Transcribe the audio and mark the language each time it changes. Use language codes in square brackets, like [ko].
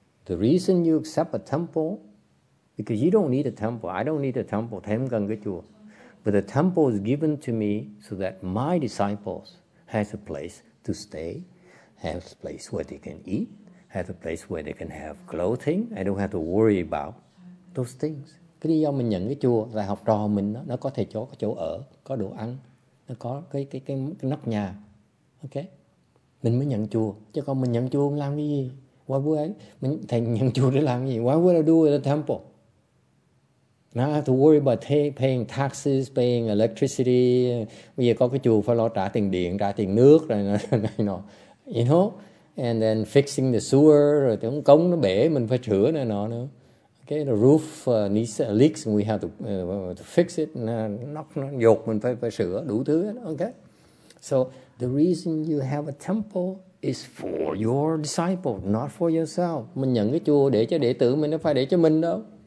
[en] The reason you accept a temple, because you don't need a temple. I don't need a temple. [vi] Thêm cần cái chùa. [en] But the temple is given to me so that my disciples has a place to stay, has a place where they can eat, have a place where they can have clothing. I don't have to worry about those things. [vi] Cái lý do mình nhận cái chùa là học trò mình nó có thầy chỗ, có chỗ ở, có đồ ăn, nó có cái nóc nhà. Okay. Mình mới nhận chùa. Chứ còn mình nhận chùa làm cái gì? [en] Why would I? [vi] Thầy nhận chùa để làm cái gì? [en] Why would I do it at a temple? Not have to worry about paying taxes, paying electricity. [vi] Bây giờ có cái chùa phải lo trả tiền điện, trả tiền nước rồi, [en] you know, and then fixing the sewer, [vi] rồi cái ống cống nó bể mình phải sửa này nọ nữa. [en] Okay, the roof needs leaks and we have to fix it. [vi] Nó dột mình phải sửa đủ thứ. [en] Okay, so the reason you have a temple is for your disciple, not for yourself. [vi] Mình nhận cái chùa để cho đệ tử mình, nó phải để cho mình đâu.